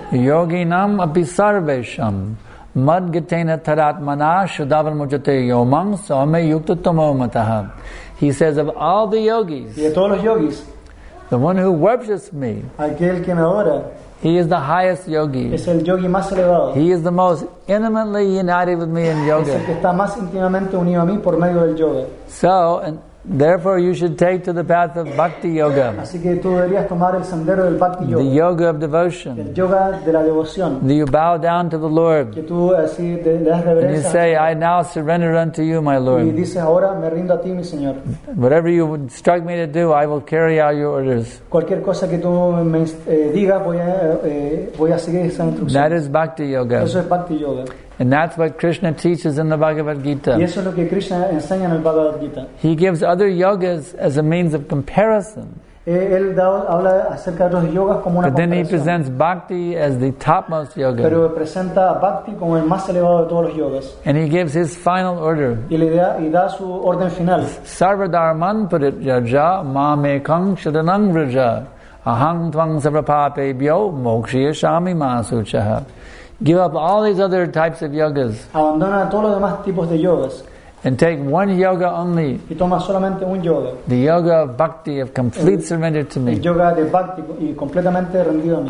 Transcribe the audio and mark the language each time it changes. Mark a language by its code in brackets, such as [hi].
[sa] yoginam apisarvesham madgatena taratmana shudavan mujate yomam saame yukta tomo mataha. [en] He says of all the yogis, [es] y de todos los yogis, [en] the one who worships me, [es] aquel que me adora, [en] he is the highest yogi. [es] Es el yogi más elevado. [en] He is the most intimately united with me in yoga. [es] Es el que está más íntimamente unido a mí por medio del yoga. [en] So, and therefore you should take to the path of bhakti yoga. [es] Así que tú deberías tomar el sendero del bhakti yoga. [en] The yoga of devotion. [es] El yoga de la devoción. [en] That you bow down to the Lord. [es] Que tú así le das reverencia. [en] And you say, I now surrender unto you, my Lord. [es] Y dices, ahora me rindo a ti, mi Señor. [en] Whatever you would instruct me to do, I will carry out your orders. [es] Cualquier cosa que tú me digas, voy a seguir esa instrucción. [en] That is bhakti yoga. [es] Eso es bhakti yoga. [en] And that's what Krishna teaches in the Bhagavad Gita. [es] Y eso es lo que Krishna enseña en el Bhagavad Gita. [en] He gives other yogas as a means of comparison. [es] él da, habla acerca de los yogas como una [en] But then he presents bhakti as the topmost yoga. [es] Pero presenta bhakti como el más elevado de todos los yogas. [en] And he gives his final order. [es] Y da su orden final. [sa] Sarva dharman purit yaja ma me kang shadanang raja aham tvang sarva papebhyo mokshiya shami ma suchah. [en] Give up all these other types of yogas. [es] Abandona todos los demás tipos de yogas. [en] And take one yoga only. [es] Y toma solamente un yoga. [en] The yoga of bhakti, of complete surrender to me. [es] El yoga de bhakti y completamente rendido a mí.